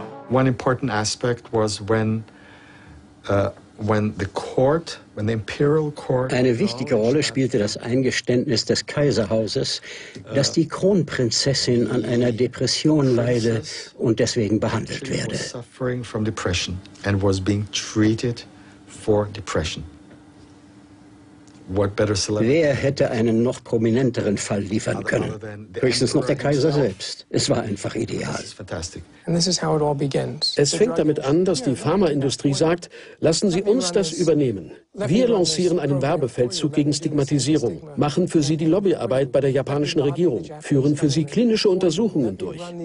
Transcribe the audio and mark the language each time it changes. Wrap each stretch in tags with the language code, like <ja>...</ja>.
<en>One important aspect was when the court, when the imperial court.</en> <de>Eine wichtige Rolle spielte das Eingeständnis des Kaiserhauses, dass die Kronprinzessin an einer Depression leide und deswegen behandelt werde.</de> <en>Suffering from depression and was being treated for depression.</en> <de>Wer hätte einen noch prominenteren Fall liefern können? Höchstens noch der Kaiser selbst. Es war einfach ideal. Es fängt damit an, dass die Pharmaindustrie sagt, lassen Sie uns das übernehmen. Wir lancieren einen Werbefeldzug gegen Stigmatisierung, machen für Sie die Lobbyarbeit bei der japanischen Regierung, führen für Sie klinische Untersuchungen durch.</de>